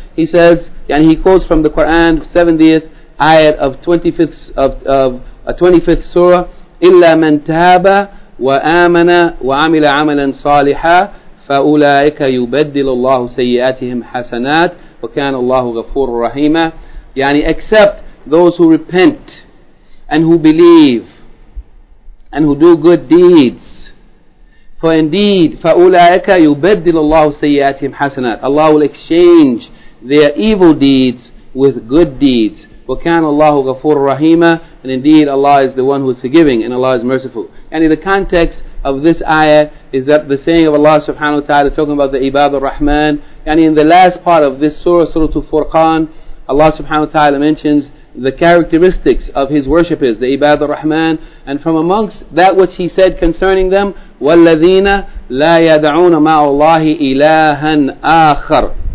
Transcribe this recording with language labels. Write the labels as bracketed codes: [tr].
[en] He says, yani he quotes from the Quran, 70th Ayat of 25th of a 25th Surah, [ar] إِلَّا مَنْ تَابَ وَآمَنَ وَعَمِلَ عَمَلًا صَالِحًا فَأُولَٰئِكَ يُبَدِّلُ اللَّهُ سَيِّئَاتِهِمْ حَسَنَاتٍ وَكَانَ اللَّهُ غَفُورٌ رَحِيمًا. [en] Yani except those who repent and who believe and who do good deeds. For indeed, [ar] فَأُولَٰئِكَ يُبَدِّلُ اللَّهُ سَيِّئَاتِهِمْ حَسَنَاتٍ. [en] Allah will exchange their evil deeds with good deeds. [ar] وَكَانَ اللَّهُ غَفُورٌ رَحِيمًا. [en] And indeed, Allah is the one who is forgiving and Allah is merciful. And in the context of this ayah is that the saying of Allah subhanahu wa ta'ala talking about the Ibad al-Rahman, and in the last part of this surah, Surah Al-Furqan, Allah subhanahu wa ta'ala mentions the characteristics of his worshippers, the Ibad al-Rahman, and from amongst that which he said concerning them, [ar] وَالَّذِينَ لَا يَدْعُونَ مَعَ اللَّهِ إِلَٰهًا آخَرٌ.